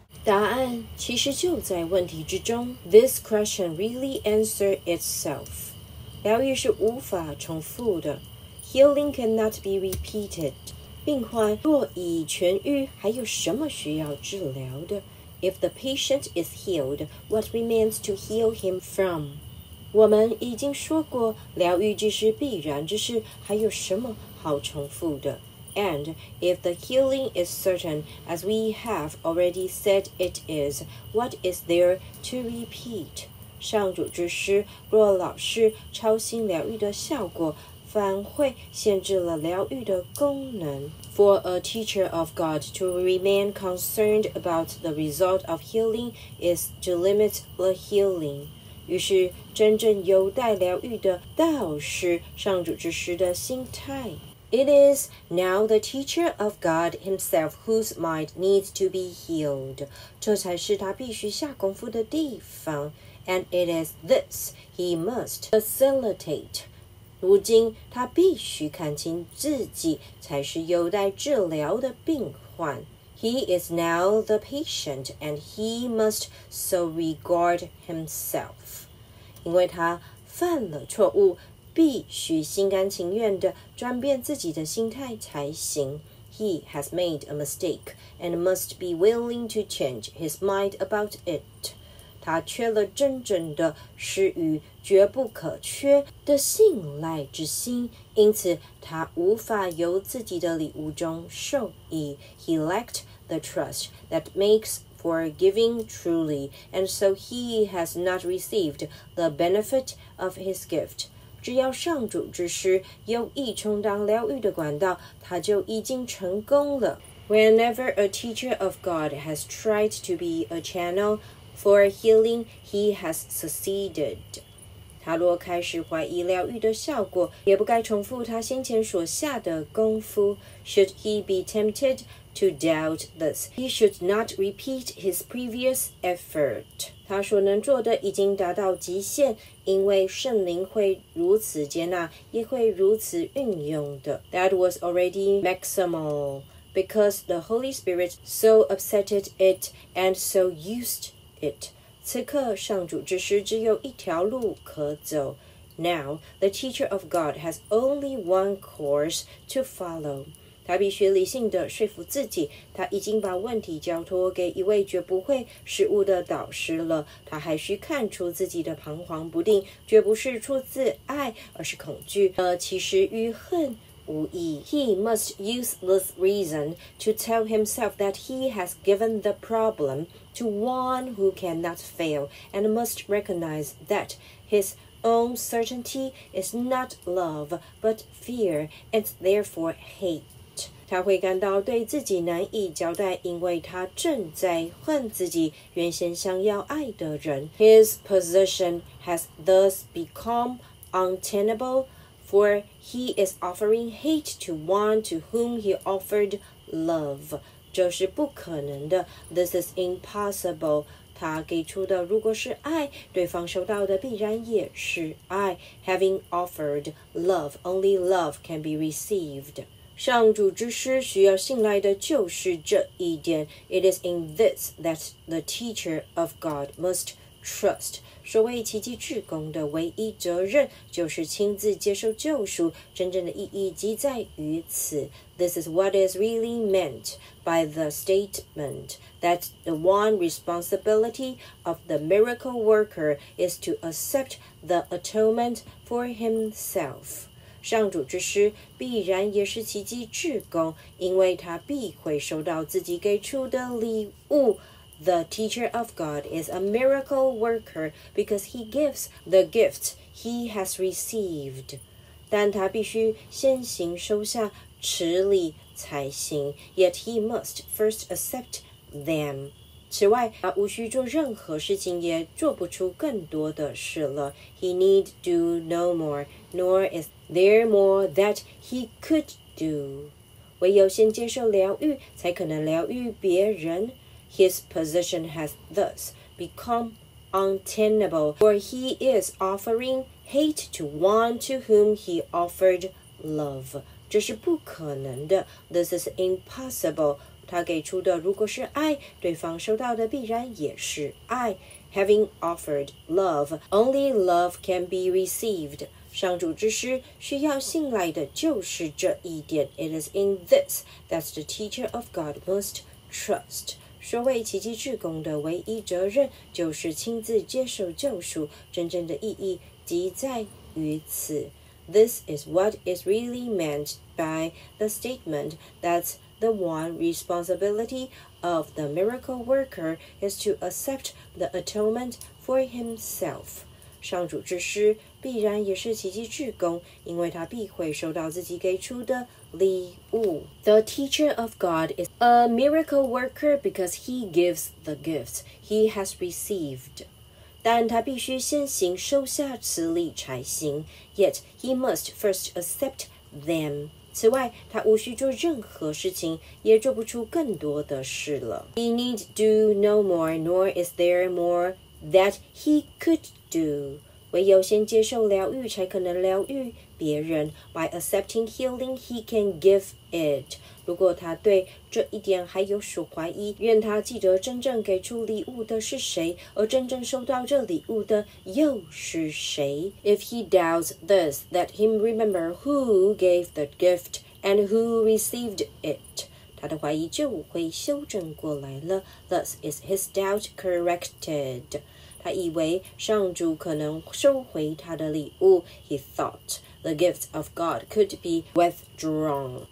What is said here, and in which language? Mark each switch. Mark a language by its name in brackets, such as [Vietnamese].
[Chinese] 答案其实就在问题之中。 [English] This question really answers itself. [Chinese] 疗愈是无法重复的。 [English] Healing cannot be repeated. [Chinese] 病患若已痊愈，还有什么需要治疗的？ [English] If the patient is healed, what remains to heal him from? [Chinese] 我们已经说过，疗愈即是必然之事，还有什么好重复的？ [English] And if the healing is certain, as we have already said it is, what is there to repeat? [Chinese] 上主之师，若老师操心疗愈的效果，反会限制了疗愈的功能。 [English] For a teacher of God to remain concerned about the result of healing is to limit the healing. [Chinese] 于是真正有待疗愈的倒是上主之师的心态。 [English] It is now the teacher of God himself whose mind needs to be healed. [Chinese] 这才是他必须下功夫的地方。 [English] And it is this he must facilitate. [Chinese] 如今他必须看清自己才是有待治疗的病患。 [English] He is now the patient, and he must so regard himself. [Chinese] 因为他犯了错误，必须心甘情愿地转变自己的心态才行。 [English] He has made a mistake, and must be willing to change his mind about it. [Chinese] 他缺了真正的施予绝不可缺的信赖之心，因此他无法由自己的礼物中受益。 [English] He lacked the trust that makes for giving truly, and so he has not received the benefit of his gift. [Chinese] 只要上主之师有意充当疗愈的管道，他就已经成功了。 [English] Whenever a teacher of God has tried to be a channel for healing, he has succeeded. [Chinese] 他若开始怀疑疗愈的效果，也不该重复他先前所下的功夫。 [English] Should he be tempted to doubt this, he should not repeat his previous effort. [Chinese] 他所能做的已经达到极限，因为圣灵会如此接纳，也会如此运用的。 [English] That was already maximal, because the Holy Spirit so upset it and so used it. [Chinese] 此刻上主之师只有一条路可走。 [English] Now, the teacher of God has only one course to follow. [Chinese] 他必须理性地说服自己，他已经把问题交托给一位绝不会失误的导师了。他还需看出自己的彷徨不定，绝不是出自爱，而是恐惧。其实与恨无异。 [English] He must use this reason to tell himself that he has given the problem to one who cannot fail, and must recognize that his own certainty is not love, but fear, and therefore hate. [Chinese] 他会感到对自己难以交代，因为他正在恨自己原先想要爱的人。 [English] His position has thus become untenable, for he is offering hate to one to whom he offered love. [Chinese] 这是不可能的。 [English] This is impossible. [Chinese] 他给出的如果是爱，对方收到的必然也是爱。 [English] Having offered love, only love can be received. [Chinese] 上主之师需要信赖的就是这一点。 [English] It is in this that the teacher of God must trust. [Chinese] 所谓奇迹至公的唯一责任就是亲自接受救赎，真正的意义即在于此。 [English] This is what is really meant by the statement that the one responsibility of the miracle worker is to accept the atonement for himself. [Chinese] 上主之师必然也是奇迹至公，因为他必会收到自己给出的礼物。 [English] The teacher of God is a miracle worker because he gives the gift he has received. [Chinese] 但他必须先行收下持礼才行。 [English] Yet he must first accept them. [Chinese] 此外，他无需做任何事情，也做不出更多的事了。 [English] He need do no more, nor is there more that he could do. [Chinese] 唯有先接受疗愈，才可能疗愈别人。 [English] His position has thus become untenable, for he is offering hate to one to whom he offered love. [Chinese] 这是不可能的。 [English] This is impossible. [Chinese] 他给出的如果是爱，对方收到的必然也是爱。 [English] Having offered love, only love can be received. [Chinese] 上主之师需要信赖的就是这一点。 [English] It is in this that the teacher of God must trust. [Chinese] 所谓奇迹至公的唯一责任就是亲自接受救赎，真正的意义即在于此。 [English] This is what is really meant by the statement that's the one responsibility of the miracle worker is to accept the atonement for himself. [Chinese] 上主之师必然也是奇迹至公，因为他必会收到自己给出的礼物。 [English] The teacher of God is a miracle worker because he gives the gifts he has received. [Chinese] 但他必须先行收下此礼才行。 [English] Yet he must first accept them. [Chinese] 此外，他无需做任何事情，也做不出更多的事了。 [English] He need do no more, nor is there more that he could do. [Chinese] 唯有先接受疗愈，才可能疗愈别人 [English] by accepting healing he can give it. [Chinese] 如果他对这一点还有所怀疑，愿他记得真正给出礼物的是谁，而真正收到这礼物的又是谁。 [English] If he doubts this, let him remember who gave the gift and who received it. [Chinese] 他的怀疑就会修正过来了。 [English] Thus is his doubt corrected. [Chinese] 他以为上主可能收回他的礼物。 [English] He thought the gift of God could be withdrawn.